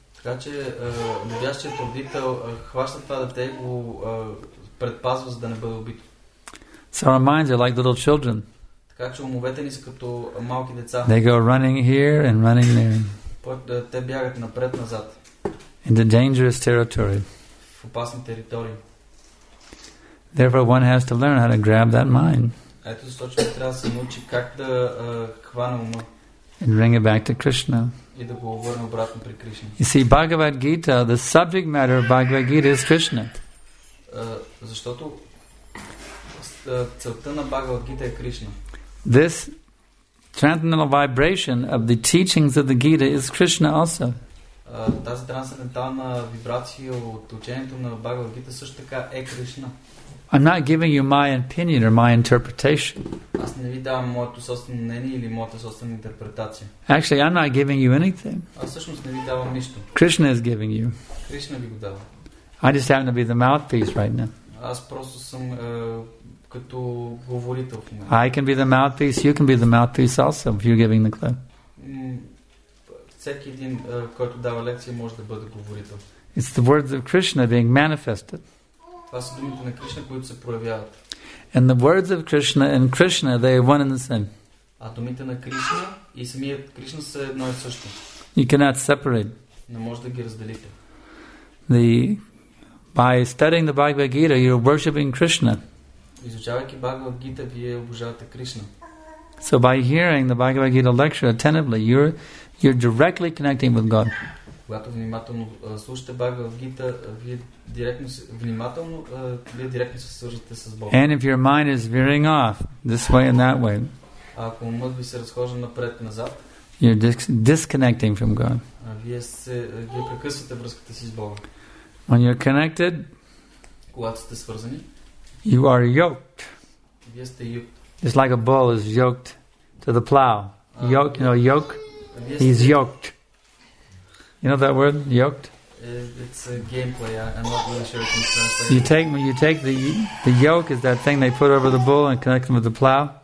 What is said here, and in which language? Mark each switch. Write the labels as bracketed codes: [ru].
[en] So our minds are like little children. They go running here and running there. [bg] Те бягат напред назад. [en] In the dangerous territory. [bg] В опасни територии. [en] Therefore one has to learn how to grab that mind. [bg] Ето защо човек трябва да се научи как да хване ума. [en] And bring it back to Krishna. [bg] И да го върне обратно при Кришна. [en] You see, Bhagavad Gita, the subject matter of Bhagavad Gita is Krishna. [bg] Защото целта на Bhagavad Gita е Кришна. [en] This transcendental vibration of the teachings of the Gita is Krishna also. [bg] Тази трансцендентална вибрация от учението на Бхагавад Гита също така е Кришна. [en] I'm not giving you my opinion or my interpretation. [bg] Аз не ви давам моето собствено мнение или моята собствена интерпретация. [en] Actually, I'm not giving you anything. [bg] Аз всъщност не ви давам нищо. [en] Krishna is giving you. [bg] Кришна ви го дава. [en] I just happen to be the mouthpiece right now. [bg] Аз просто съм като говорител. [en] I can be the mouthpiece, you can be the mouthpiece also if you're giving the class. [bg] Всеки един, който дава лекция, може да бъде говорител. [en] It's the words of Krishna being manifested. [bg] Това са думите на Кришна, които се проявяват. [en] And the words of Krishna and Krishna, they are one and the same. [bg] А думите на Кришна и самият Кришна са едно и също. [en] You cannot separate. [bg] Не може да ги разделите. [en] By studying the Bhagavad Gita, you're worshipping Krishna. [bg] Изучавайки Бхагавад Гита, вие обожавате Кришна. [en] So by hearing the Bhagavad Gita lecture attentively, you're directly connecting with God. [bg] Когато внимателно слушате Бхагавад Гита, вие директно внимателно вие директно се свързвате с Бога. [en] And if your mind is veering off this way and that way, [bg] ако умът ви се разхожда напред назад, [en] you're disconnecting from God. [bg] Вие прекъсвате връзката си с Бога. [en] When you're connected, [bg] когато сте свързани, [en] you are yoked. [bg] Вие сте yoked. [en] It's like a bull is yoked to the plow. Yoke, you know, yoke. He's yoked. You know that word, yoked? It's a gameplay. I'm not really sure it can translate. You take the yoke is that thing they put over the bull and connect them with the plow.